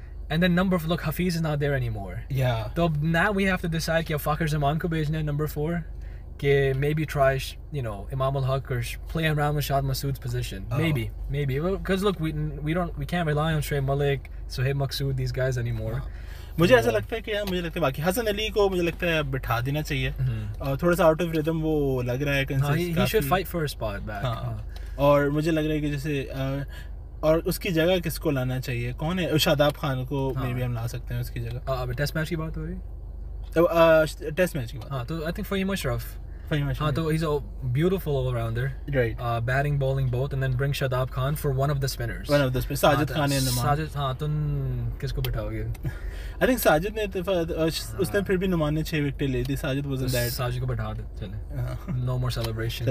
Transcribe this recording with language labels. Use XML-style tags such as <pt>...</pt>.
<en>And then number four, look, Hafiz is not there anymore. Yeah. So now we have to decide if Fakhar Zaman</en> <hi>ko bhejne</hi> <en>number four. Maybe try, you know, Imam Ul Haq or play around with Shaan Masood's position. Oh. Maybe. Because look, we can't rely on Shoaib Malik, Suhaib Maqsood, these guys anymore.</en> <hi>मुझे ऐसा लगता है कि यार मुझे लगता है बाकी हसन अली को मुझे लगता है बिठा देना चाहिए और थोड़ा सा आउट ऑफ रिदम वो लग रहा है consistent</hi> <en>he should fight for a spot back.</en> <hi>और मुझे लग रहा है कि जैसे और उसकी जगह किसको लाना चाहिए कौन है शादाब खान को maybe हम ला सकते हैं उसकी जगह अब टेस्ट मैच की बात हो रही टेस्ट मैच की बात हां तो</hi> <en>I think</en> <hi>Faheem Ashraf</hi> <en>So he's a beautiful all-rounder. Right. Batting, bowling, both. And then bring Shadab Khan for one of the spinners. One of the spinners. Sajid Khan and Numan.</en> <hi>Sajid, haan. Toh, kisko bithaoge?</hi> <en>I think</en> <hi>Sajid ne, usne phir bhi Numan ne 6 wicket le di. Sajid</hi> <en>wasn't that.</en> <hi>Sajid ko bitha de, chale.</hi> <en>No more celebrations.</en>